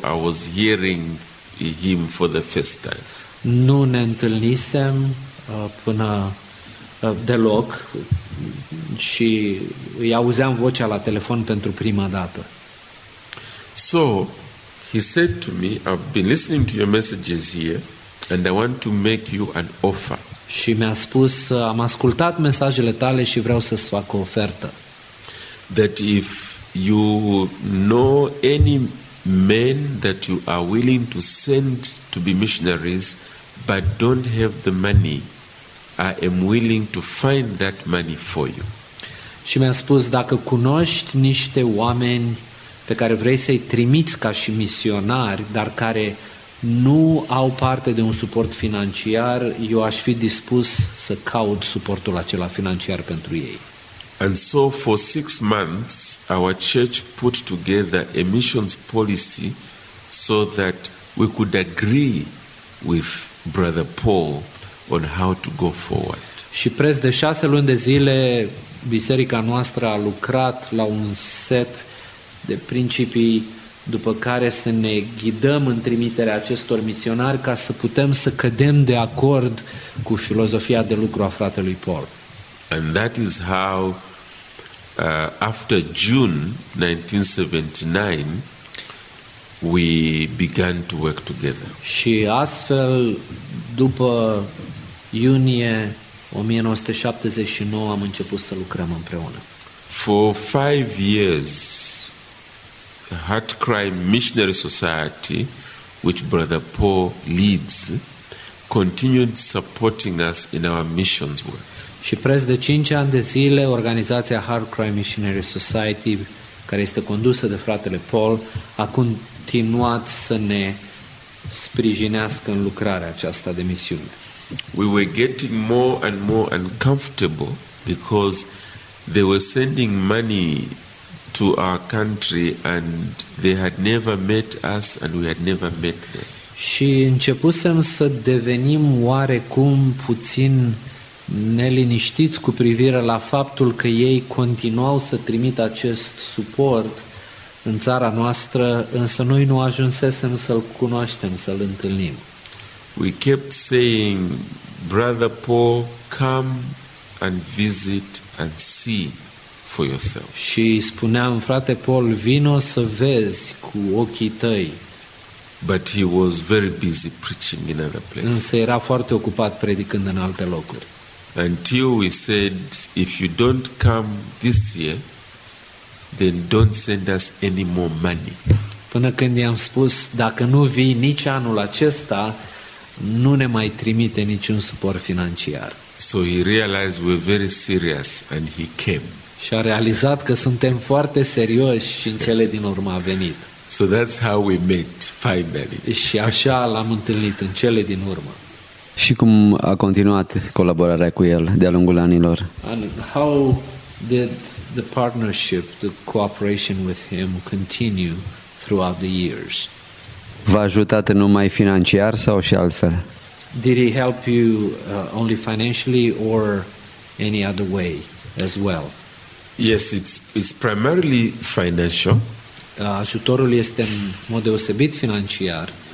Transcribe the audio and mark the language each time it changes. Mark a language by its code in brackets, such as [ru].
[en] I was hearing him for the first time. [ro] Nu ne întâlnisem până deloc și îi auzeam vocea la telefon pentru prima dată. [en] So he said to me, I've been listening to your messages here and I want to make you an offer. [ro] Și mi-a spus, am ascultat mesajele tale și vreau să-ți fac o ofertă. [en] That if you know any men that you are willing to send to be missionaries but don't have the money, I am willing to find that money for you. [ro] Și mi-a spus, dacă cunoști niște oameni pe care vrei să-i trimiți ca și misionari, dar care nu au parte de un suport financiar, eu aș fi dispus să caut suportul acela financiar pentru ei. [en] And so for 6 months our church put together a missions policy so that we could agree with Brother Paul on how to go forward. [ro] Și preț de 6 luni de zile biserica noastră a lucrat la un set de principii după care să ne ghidăm în trimiterea acestor misionari ca să putem să cădem de acord cu filozofia de lucru a fratelui Paul. [en] And that is how after June 1979 we began to work together. [ro] Și astfel după iunie 1979 am început să lucrăm împreună. [en] For 5 years Heart Cry Missionary Society which Brother Paul leads, continued supporting us in our missions work. [ro] Și preț de 5 ani de zile, organizația Hard Cry Missionary Society, care este condusă de fratele Paul, a continuat să ne sprijinească în lucrarea aceasta de misiune. [en] We were getting more and more uncomfortable because they were sending money to our country and they had never met us and we had never met them. [ro] Și începusem să devenim oarecum puțin neliniștiți cu privire la faptul că ei continuau să trimită acest suport în țara noastră, însă noi nu ajunsesem să-l cunoaștem, să-l întâlnim. [en] We kept saying, Brother Paul, come and visit and see for yourself. [ro] Și spuneam, frate Paul, vino să vezi cu ochii tăi. [en] But he was very busy preaching in other places. [ro] Însă era foarte ocupat predicând în alte locuri. [en] Until we said, if you don't come this year, then don't send us any more money. [ro] Până când i-am spus, dacă nu vii nici anul acesta, nu ne mai trimite niciun suport financiar. [en] So he realized we're very serious and he came. [ro] Și a realizat că suntem foarte serioși și în cele din urmă a venit. [en] So that's how we met finally. [ro] Și așa l-am întâlnit în cele din urmă. Și cum a continuat colaborarea cu el de-a lungul anilor? [en] And how did the partnership, the cooperation with him continue throughout the years? [ro] V-a ajutat numai financiar sau și altfel? [en] Did he help you only financially or any other way as well? Yes, it's primarily financial. [ro] Ajutorul este în mod deosebit financiar.